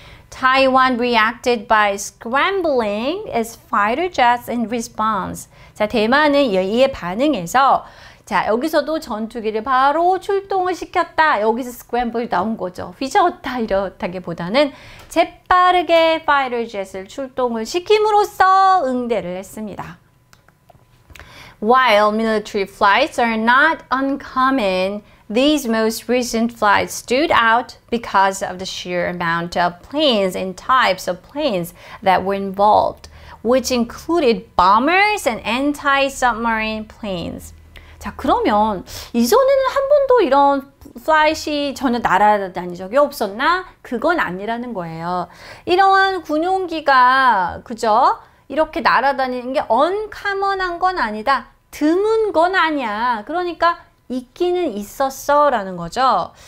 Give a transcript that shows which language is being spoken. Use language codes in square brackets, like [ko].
[en] Taiwan reacted by scrambling its fighter jets in response. [ko] 자, 대만은 이에 반응해서 자, 여기서도 전투기를 바로 출동을 시켰다. 여기서 스크램블 나온 거죠. 휘저었다 이렇다기보다는 재빠르게 파이터젯을 출동을 시킴으로써 응대를 했습니다. [en] While military flights are not uncommon, these most recent flights stood out because of the sheer amount of planes and types of planes that were involved, which included bombers and anti-submarine planes. [ko] 자, 그러면 이전에는 한 번도 이런 플라잇이 전혀 날아다닌 적이 없었나? 그건 아니라는 거예요. 이러한 군용기가 그저 이렇게 날아다니는 게 언커먼한 건 아니다. 드문 건 아니야. 그러니까 있기는 있었어라는 거죠.